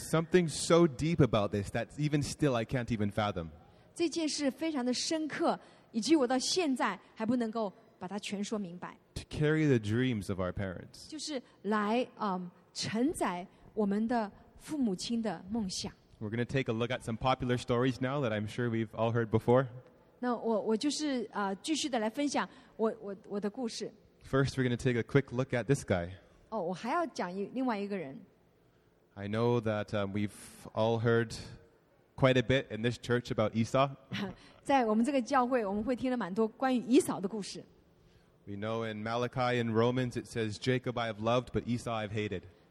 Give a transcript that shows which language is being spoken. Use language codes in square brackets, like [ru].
[en] something so deep about this that even still I can't even fathom. [zh] 这件事非常的深刻。以及我到现在还不能够把它全说明白。 [en] To carry the dreams of our parents. [zh] 就是来承载我们的父母亲的梦想。 [en] We're going to take a look at some popular stories now that I'm sure we've all heard before. [zh] 那我就是继续的来分享我的故事。 [en] First, we're going to take a quick look at this guy. [zh] 哦，我还要讲另外一个人。 [en] I know that we've all heard quite a bit in this church about Esau. [zh] 在我们这个教会，我们会听了蛮多关于以扫的故事。 [en] We know in Malachi and Romans it says Jacob I have loved, but Esau I've hated.